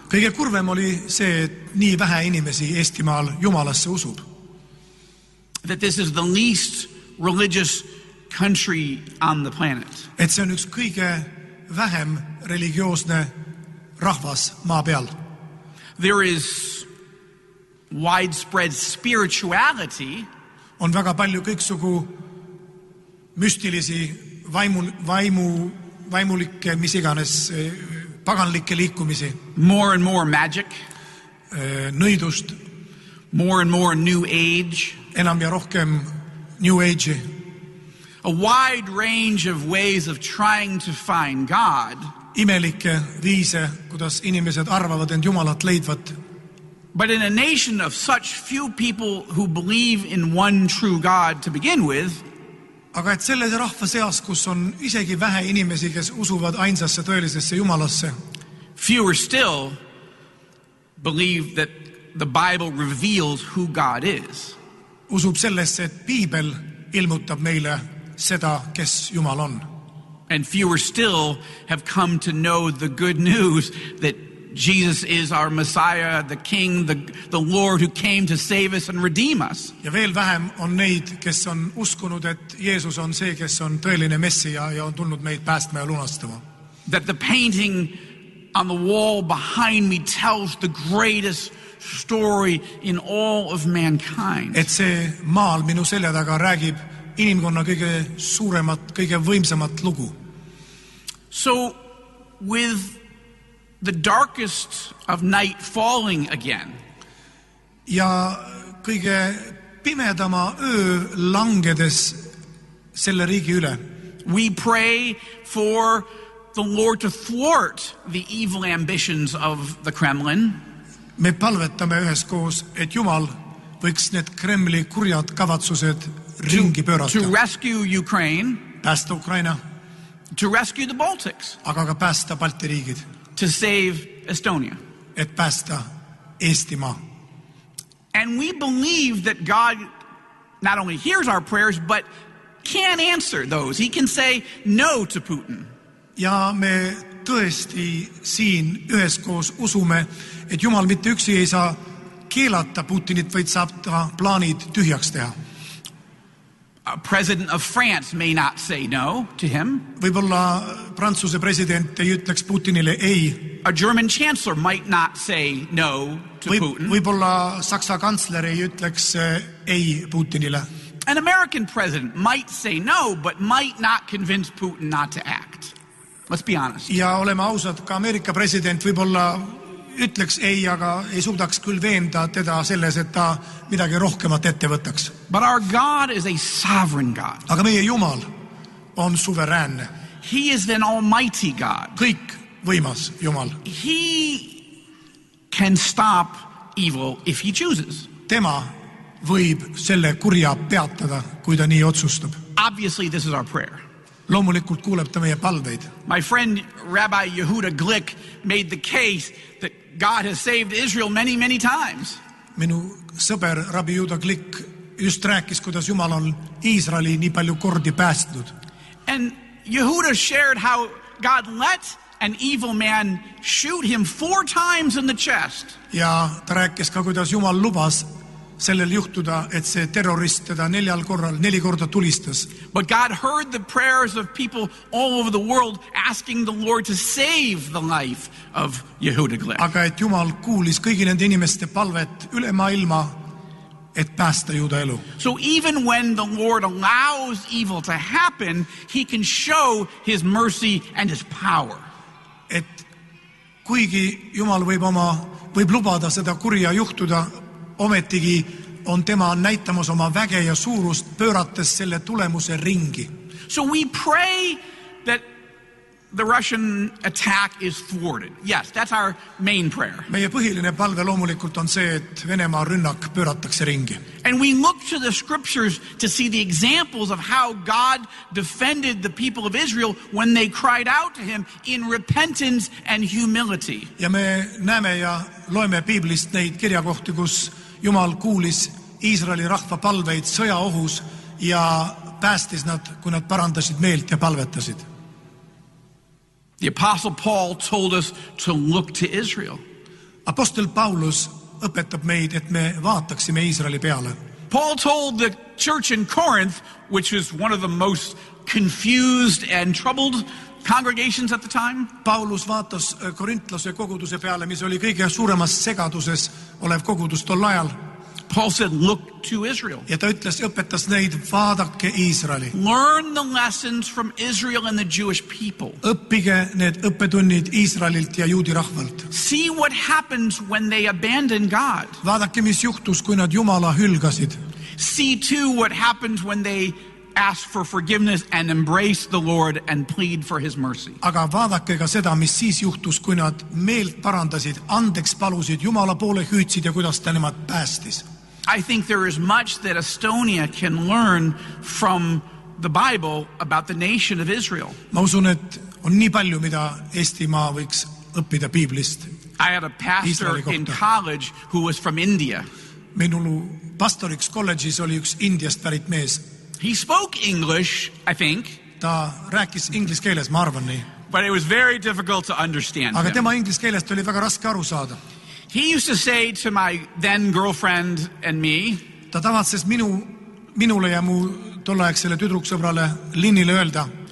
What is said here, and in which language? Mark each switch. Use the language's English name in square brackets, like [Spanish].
[Estonian] Kõige kurvem oli see, et nii vähe inimesi Eestimaal Jumalasse usub. [English] That this is the least religious country on the planet. [Estonian] Et see on üks kõige vähem religioosne rahvas maa peal. [English] There is widespread spirituality. [Estonian] On väga palju kõiksugu müstilisi vaimulikke, mis iganes paganlikke liikumisi. [English] More and more magic. [Estonian] Nõidust. [English] More and more new age. [Estonian] Enam ja rohkem New Age. [English] A wide range of ways of trying to find God. [Estonian] Imelike viise, kuidas inimesed arvavad end Jumalat leidvat. [English] But in a nation of such few people who believe in one true God to begin with, [Estonian] aga et selles rahva seas, kus on isegi vähe inimesi, kes usuvad ainsasse tõelisesse Jumalasse, [English] fewer still believe that the Bible reveals who God is. [Estonian] Usub sellesse, et Piibel ilmutab meile seda, kes Jumal on. [English] And fewer still have come to know the good news that Jesus is our Messiah, the King, the Lord who came to save us and redeem us. [Estonian] Ja veel vähem on neid, kes on uskunud, et Jeesus on see, kes on tõeline Messia ja on tulnud meid päästma ja lunastama. [English] That the painting on the wall behind me tells the greatest story in all of mankind. [Estonian] Et see maal minu selja taga räägib inimkonna kõige suuremat, kõige võimsamat lugu. [English] So with the darkest of night falling again. [Estonian] Ja kõige pimedama öö langedes selle riigi üle. [English] We pray for the Lord to thwart the evil ambitions of the Kremlin. [Estonian] Me palvetame ühes koos, et Jumal võiks need Kremli kurjad kavatsused ringi pöörata. [English] To rescue Ukraine. [Estonian] Päästa Ukraina. [English] To rescue the Baltics. [Estonian] Aga ka päästa Balti riigid. [English] To save Estonia. [Estonian] Et päästa Eestimaa. [English] And we believe that God not only hears our prayers, but can answer those. He can say no to Putin. [Estonian] Ja me tõesti siin üheskoos usume, et Jumal mitte üksi ei saa keelata Putinit, vaid saab ta plaanid tühjaks teha. [English] A president of France may not say no to him. [Estonian] Võibolla Prantsuse president ei ütleks Putinile ei. [English] A German chancellor might not say no to Putin. [Estonian] Võibolla Saksa kansler ei ütleks ei Putinile. [English] An American president might say no, but might not convince Putin not to act. Let's be honest. [Estonian] Ja oleme ausad, ka Ameerika president võib-olla ütleks ei, aga ei suudaks küll veenda teda selles, et ta midagi rohkemat ette võtaks. [English] But our God is a sovereign God. [Estonian] Aga meie Jumal on suveräänne. [English] He is an almighty God. [Estonian] Kõik võimas Jumal. [English] He can stop evil if he chooses. [Estonian] Tema võib selle kurja peatada, kui ta nii otsustab. [English] Obviously this is our prayer. [Estonian] Loomulikult kuuleb ta meie palveid. [English] My friend Rabbi Yehuda Glick made the case that God has saved Israel many, many times. [Estonian] Minu sõber Rabbi Yehuda Glick just rääkis, kuidas Jumal on Iisraeli nii palju kordi päästnud. [English] And Yehuda shared how God let an evil man shoot him 4 times in the chest. [Estonian] Ja ta rääkis ka, kuidas Jumal lubas sellel juhtuda, et see terrorist teda 4 korda tulistas. [English] But God heard the prayers of people all over the world asking the Lord to save the life of Yehuda Glick. [Estonian] Aga et Jumal kuulis kõigi nende inimeste palvet üle maailma, et päästa Juuda elu. [English] So even when the Lord allows evil to happen, he can show his mercy and his power. [Estonian] Et kuigi Jumal võib lubada seda kurja juhtuda, ometigi on tema näitamas oma väge ja suurust pöörates selle tulemuse ringi. [English] So we pray that the Russian attack is thwarted. Yes, that's our main prayer. [Estonian] Meie põhiline palve loomulikult on see, et Venemaa rünnak pööratakse ringi. [English] And we look to the scriptures to see the examples of how God defended the people of Israel when they cried out to him in repentance and humility. [Estonian] Ja me näeme ja loeme Biiblist neid kirjakohti, kus Jumal kuulis Iisraeli rahva palveid sõjaohus ja päästis nad, kui nad parandasid meelt ja palvetasid. [English] The Apostle Paul told us to look to Israel. [Estonian] Apostel Paulus õpetab meid, et me vaataksime Iisraeli peale. [English] Paul told the church in Corinth, which was one of the most confused and troubled congregations at the time. [Estonian] Paulus vaatas korintlase koguduse peale, mis oli kõige suuremas segaduses olev kogudus tol ajal. [English] Paul said, look to Israel. [Estonian] Ja ta ütles, õpetas neid, vaadake Iisraeli. [English] Learn the lessons from Israel and the Jewish people. [Estonian] Õppige need õppetunnid Iisraelilt ja juudi rahvalt. [English] See what happens when they abandon God. [Estonian] Vaadake, mis juhtus, kui nad Jumala hülgasid. [English] See too what happens when they ask for forgiveness and embrace the Lord and plead for his mercy. [Estonian] Aga vaadake ka seda, mis siis juhtus, kui nad meelt parandasid, andeks palusid, Jumala poole hüütsid ja kuidas ta nemad päästis. [English] I think there is much that Estonia can learn from the Bible about the nation of Israel. [Estonian] Ma usun, et on nii palju, mida Eestimaa võiks õppida Biiblist. [English] I had a pastor in college who was from India. [Estonian] Minul pastoriks kolledžis oli üks Indiast pärit mees. [English] He spoke English, I think. [Estonian] Ta rääkis inglise keeles, ma arvan nii. [English] But it was very difficult to understand him. [Estonian] Aga tema inglise keelest oli väga raske aru saada. [English] He used to say to my then girlfriend and me. [Estonian] Ta tavatses minule ja mu tollaegsele tüdruksõbrale Linnile öelda.